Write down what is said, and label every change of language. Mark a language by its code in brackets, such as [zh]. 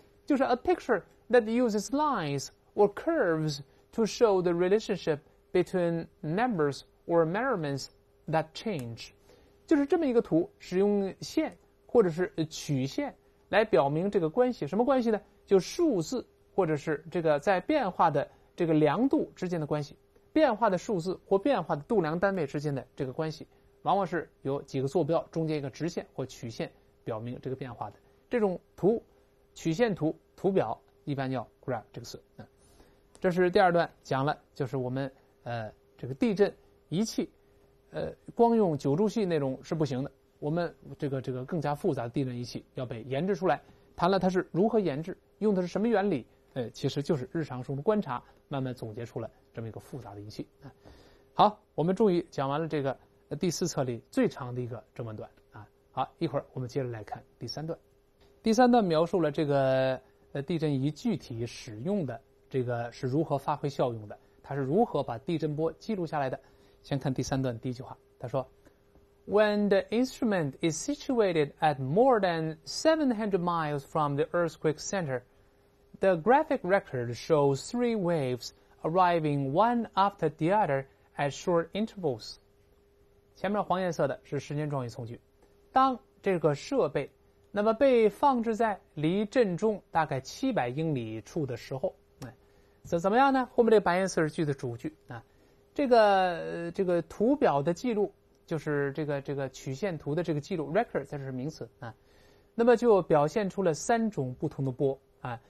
[zh] 就是 [en] a picture that uses lines or curves to show the relationship between numbers or measurements that change。 [zh] 就是这么一个图，使用线或者是曲线来表明这个关系，什么关系呢？就数字或者是这个在变化的这个量度之间的关系，变化的数字或变化的度量单位之间的这个关系。往往是有几个坐标中间一个直线或曲线表明这个变化的这种图，曲线图、图表一般叫 graph 这个词。这是第二段讲了，就是我们这个地震仪器，光用九柱系那种是不行的，我们这个更加复杂的地震仪器要被研制出来。谈了它是如何研制，用的是什么原理，其实就是日常中的观察慢慢总结出来这么一个复杂的仪器。好，我们终于讲完了这个。第四册里最长的一个这么段啊，好，一会儿我们接着来看第三段。第三段描述了这个地震仪具体使用的这个是如何发挥效用的，它是如何把地震波记录下来的。先看第三段第一句话，他说 [en] ：“When the instrument is situated at more than 700 miles from the earthquake center, the graphic record shows three waves arriving one after the other at short intervals.” [zh] 前面黄颜色的是时间状语从句，当这个设备那么被放置在离震中大概700英里处的时候，怎么样呢？后面这白颜色是句的主句啊，这个图表的记录，就是这个曲线图的这个记录 record， 这是名词啊，那么就表现出了三种不同的波啊。